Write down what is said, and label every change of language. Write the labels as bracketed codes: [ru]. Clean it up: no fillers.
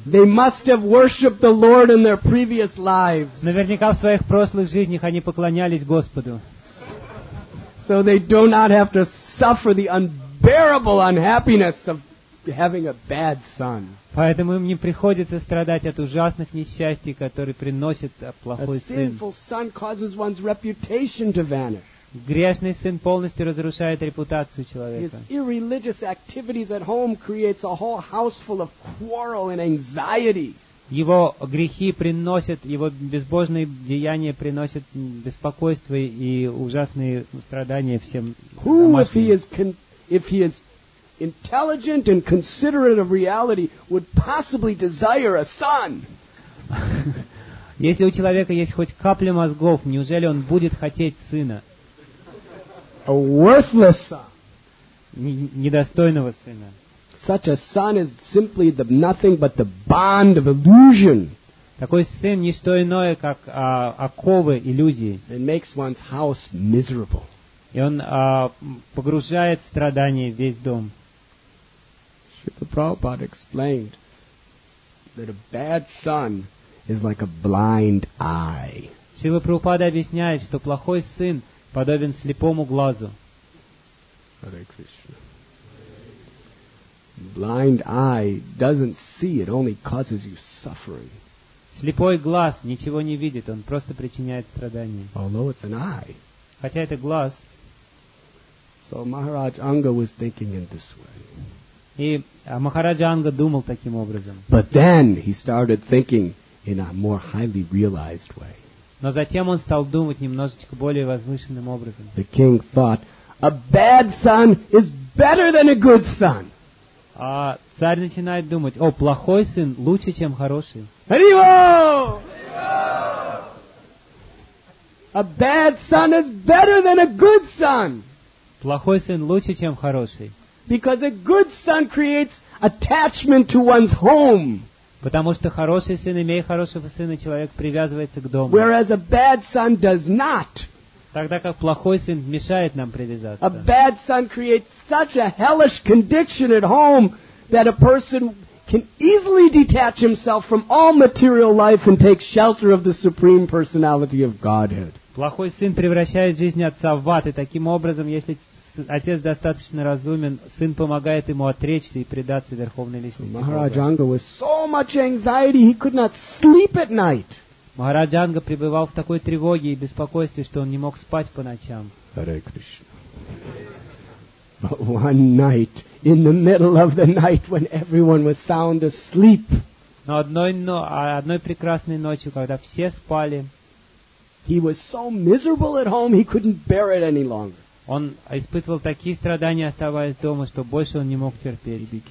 [en] They must have worshipped the Lord in their previous lives. [ru] Наверняка в своих прошлых жизнях они поклонялись Господу. [en] So they do not have to suffer the unbearable unhappiness of having a bad son. [ru] Поэтому им не приходится страдать от ужасных несчастий, которые приносит плохой сын. [en] A sinful son causes one's reputation to vanish. [ru] Грешный сын полностью разрушает репутацию человека. [en] His irreligious activities at home creates a whole house full of quarrel and anxiety. [ru] Его грехи приносят, его безбожные деяния приносят беспокойство и ужасные страдания всем домашним. [en] Intelligent and considerate of reality would possibly desire a son. [ru] Если у человека есть хоть капля мозгов, неужели он будет хотеть сына? [en] A worthless son. [ru] Недостойного сына. [en] Such a son is simply the nothing but the bond of illusion. [ru] Такой сын не что иное, как оковы иллюзии. [en] It makes one's house miserable. [ru] И он погружает в страдания весь дом. [en] Шрила Прабхупада explained that a bad son is like a blind eye. [ru] Шрила Прабхупада объясняет, что плохой сын подобен слепому глазу. [en] Hare Krishna. Blind eye doesn't see, it only causes you suffering. [ru] Слепой глаз ничего не видит, он просто причиняет страдания. [en] Although it's an eye. [ru] Хотя это глаз. [en] So Maharaj Anga was thinking in this way. [ru] И Махараджа Анга думал таким образом. [en] But then he started thinking in a more highly realized way. [ru] Но затем он стал думать немножечко более возвышенным образом. [en] The king thought, a bad son is better than a good son. [ru] А царь начинает думать, о, плохой сын лучше, чем хороший. Arrivo! [en] A bad son is better than a good son. [ru] Плохой сын лучше, чем хороший. [en] Because a good son creates attachment to one's home. [ru] Потому что хороший сын, имея хорошего сына, человек привязывается к дому. [en] Whereas a bad son does not. [ru] Тогда как плохой сын мешает нам привязаться. [en] A bad son creates such a hellish condition at home that a person can easily detach himself from all material life and take shelter of the Supreme Personality of Godhead. [ru] Плохой сын превращает жизнь отца в ад, и таким образом, если отец достаточно разумен, сын помогает ему отречься и предаться Верховной Личности. [en] Махараджанга was so much anxiety, he could not sleep at night. [ru] Махараджанга пребывал в такой тревоге и беспокойстве, что он не мог спать по ночам. [en] Hare Krishna. But one night, in the middle of the night, when everyone was sound asleep, [ru] но одной прекрасной ночью, когда все спали, [en] he was so miserable at home, he couldn't bear it any longer. [ru] Он испытывал такие страдания, оставаясь дома, что больше он не мог терпеть.